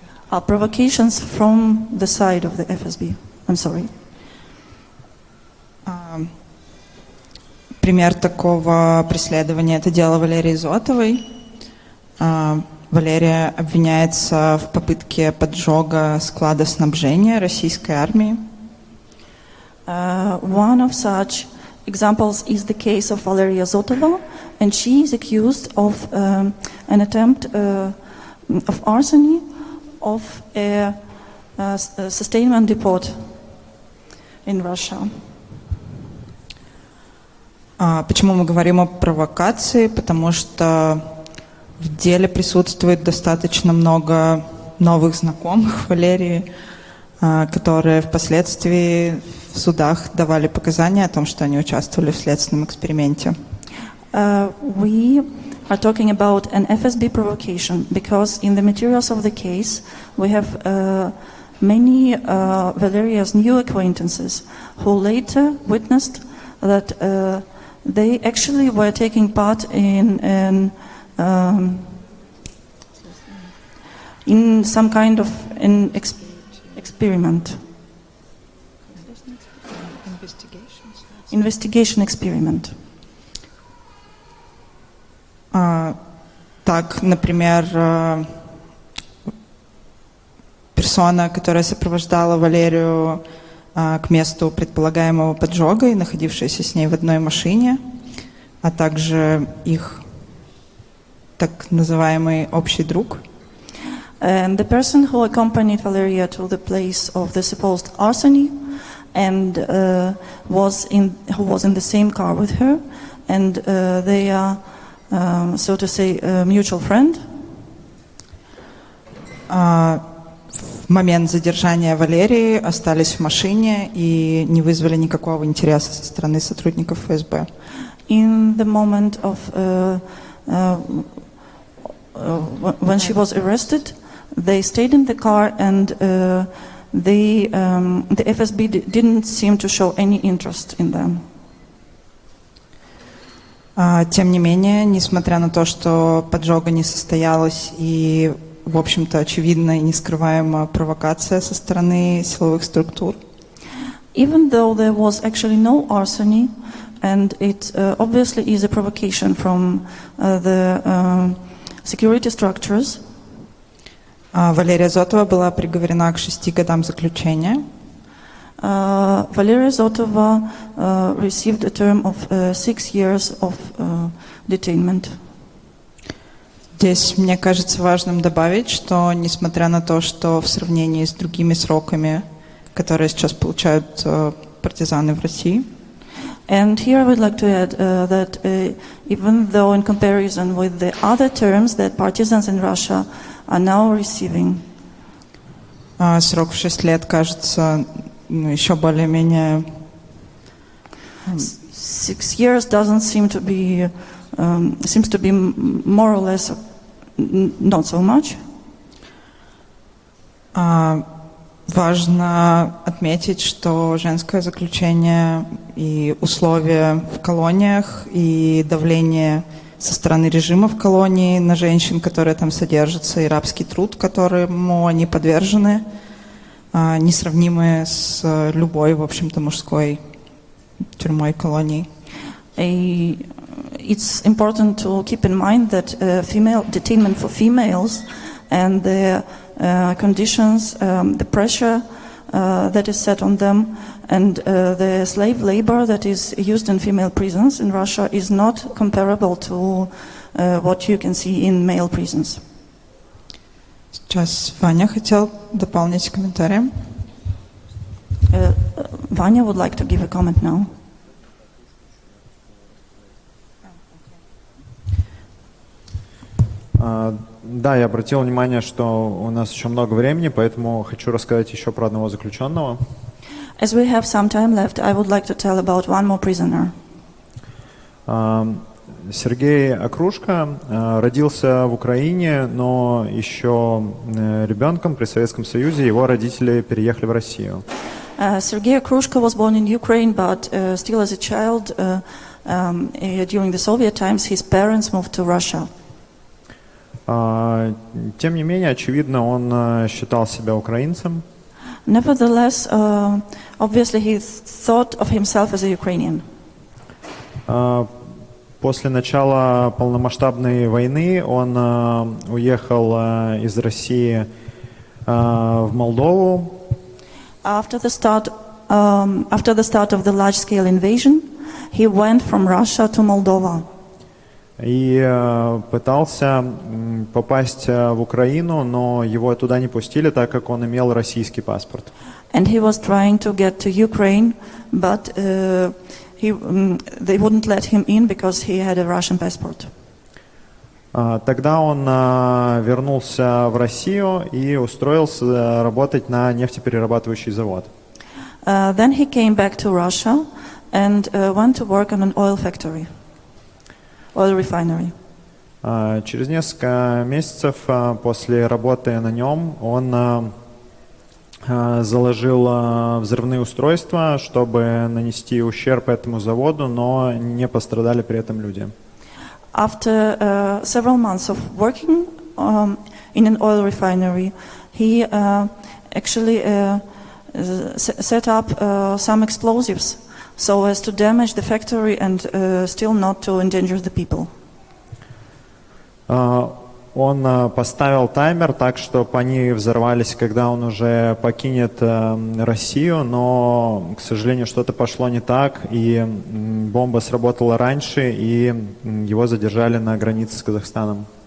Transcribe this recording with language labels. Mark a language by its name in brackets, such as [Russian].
[English] Are provocations from the side of the ФСБ. I'm sorry. [Russian] Пример такого преследования – это дело Валерии Зотовой. Валерия обвиняется в попытке поджога склада снабжения российской армии. [English] One of such examples is the case of Valeria Zotova, and she is accused of an attempt of arsony of a sustainment depot in Russia. [Russian] Почему мы говорим о провокации? Потому что в деле присутствует достаточно много новых знакомых Валерии, которые впоследствии в судах давали показания о том, что они участвовали в следственном эксперименте. [English] We are talking about an FSB provocation because in the materials of the case we have many Valeria's new acquaintances who later witnessed that they actually were taking part in some kind of an experiment. investigation experiment. [Russian] Так, например, персона, которая сопровождала Валерию к месту предполагаемого поджога и находившаяся с ней в одной машине, а также их так называемый общий друг. [English] And the person who accompanied Valeria to the place of the supposed arsony and who was in the same car with her, and they are so to say, mutual friend. [Russian] В момент задержания Валерии остались в машине и не вызвали никакого интереса со стороны сотрудников ФСБ. [English] In the moment of when she was arrested, they stayed in the car and the FSB didn't seem to show any interest in them. [Russian] Тем не менее, несмотря на то, что поджога не состоялась и, в общем-то, очевидна и нескрываема провокация со стороны силовых структур. [English] Even though there was actually no arson, and it obviously is a provocation from the security structures. [Russian] Валерия Зотова была приговорена к 6 годам заключения. [English] Валерия Зотова received a term of 6 years of detainment. [Russian] Здесь мне кажется важным добавить, что несмотря на то, что в сравнении с другими сроками, которые сейчас получают партизаны в России. [English] And here I would like to add that even though in comparison with the other terms that partisans in Russia are now receiving. [Russian] Срок в 6 лет кажется еще более-менее. [English] 6 years doesn't seem to be seems to be more or less not so much. [Russian] Важно отметить, что женское заключение и условия в колониях и давление со стороны режима в колонии на женщин, которые там содержатся, и рабский труд, которому они подвержены, несравнимы с любой, в общем-то, мужской тюрьмой, колонией. [English] It's important to keep in mind that female detainment for females and the conditions, the pressure that is set on them, and the slave labor that is used in female prisons in Russia is not comparable to what you can see in male prisons. [Russian] Сейчас Ваня хотел дополнить комментарием. [English] Ваня would like to give a comment now. [Russian] Да, я обратил внимание, что у нас еще много времени, поэтому хочу рассказать еще про одного заключенного. [English] As we have some time left, I would like to tell about one more prisoner. [Russian] Сергей Окружко родился в Украине, но еще ребенком при Советском Союзе его родители переехали в Россию. [English] Сергей Окружко was born in Ukraine, but still as a child during the Soviet times his parents moved to Russia. [Russian] Тем не менее, очевидно, он считал себя украинцем. [English] Nevertheless, obviously he thought of himself as a Ukrainian. [Russian] После начала полномасштабной войны он уехал из России в Молдову. [English] After the start of the large-scale invasion, he went from Russia to Moldova. [Russian] И пытался попасть в Украину, но его туда не пустили, так как он имел российский паспорт. [English] And he was trying to get to Ukraine, but they wouldn't let him in because he had a Russian passport. [Russian] Тогда он вернулся в Россию и устроился работать на нефтеперерабатывающий завод. [English] Then he came back to Russia and went to work on an oil factory. Oil refinery. [Russian] Через несколько месяцев после работы на нем он заложил взрывные устройства, чтобы нанести ущерб этому заводу, но не пострадали при этом люди. [English] After several months of working in an oil refinery, he actually set up some explosives so as to damage the factory and still not to endanger the people. [Russian] Он поставил таймер так, чтобы они взорвались, когда он уже покинет Россию, но, к сожалению, что-то пошло не так, и бомба сработала раньше, и его задержали на границе с Казахстаном.